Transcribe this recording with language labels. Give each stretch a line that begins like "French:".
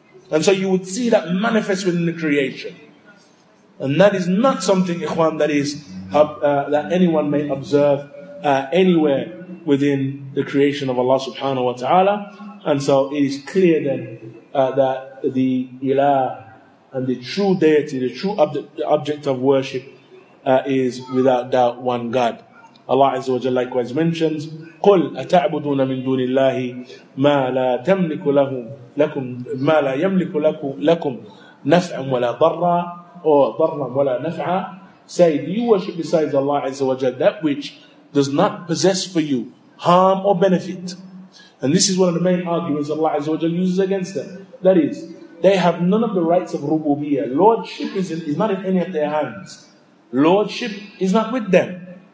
English: And so you would see that manifest within the creation. And that is not something, ikhwan, that is that anyone may observe anywhere within the creation of Allah subhanahu wa ta'ala. And so it is clear then that the ilah and the true deity, the true object of worship is without doubt one God. Allah Azza wa Jalla likewise mentions,
Arabic: قُلْ أَتَعْبُدُونَ مِن دُونِ اللَّهِ مَا لَا تَمْلِكُ لَهُمْ لَكُمْ مَا لَا يَمْلِكُ لَكُمْ نَفْعًا وَلَا ضَرًّا or ضَرًّا وَلَا نَفْعًا.
English: Say, do you worship besides Allah Azza wa Jalla that which does not possess for you harm or benefit? And this is one of the main arguments Allah Azza wa Jalla uses against them. That is, they have none of the rights of rububiyyah. Lordship is not in any of their hands. Lordship is not with them.